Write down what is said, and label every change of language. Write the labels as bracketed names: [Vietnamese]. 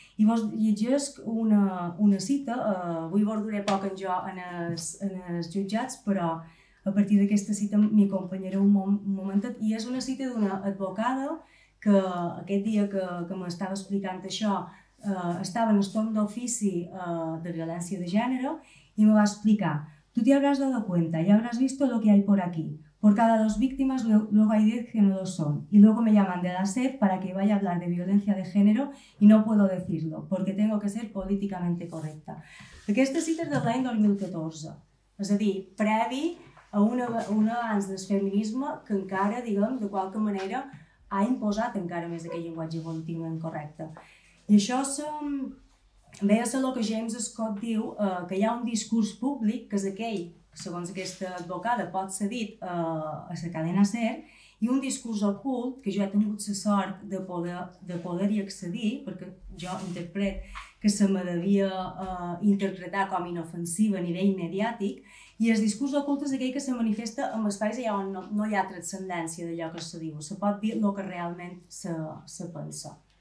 [Catalan] I vos llegeixo una cita, avui vos duré poc en jo en els jutjats, però a partir d'aquesta cita m'hi acompanyaré un momentet, i és una cita d'una advocada que aquest dia que m'estava explicant això estava en el torn d'ofici de violència de gènere i me va explicar: tu t'hi habràs [Spanish] dado cuenta, ya habràs visto lo que hay por aquí. Por cada dos víctimas luego hay 10 que no lo son. Y luego me llaman de la SED para que vaya a hablar de violencia de género y no puedo decirlo, porque tengo que ser políticamente correcta. [Catalan] Aquesta cita és de l'any 2014. És a dir, previ a un avanç del feminisme que encara, diguem, de qualque manera, ha imposat encara més aquell llenguatge polític incorrecte. I això ve a ser el que James Scott diu, que hi ha un discurs públic, que és aquell, segons aquesta advocada, pot ser dit a la cadena SER, i un discurs ocult, que jo he tingut la sort de poder-hi accedir, perquè jo interpret que se me devia interpretar com inofensiva a nivell mediàtic, i el discurs ocult és aquell que se manifesta en espais allà on no hi ha transcendència d'allò que se diu, se pot dir el que realment se pensa.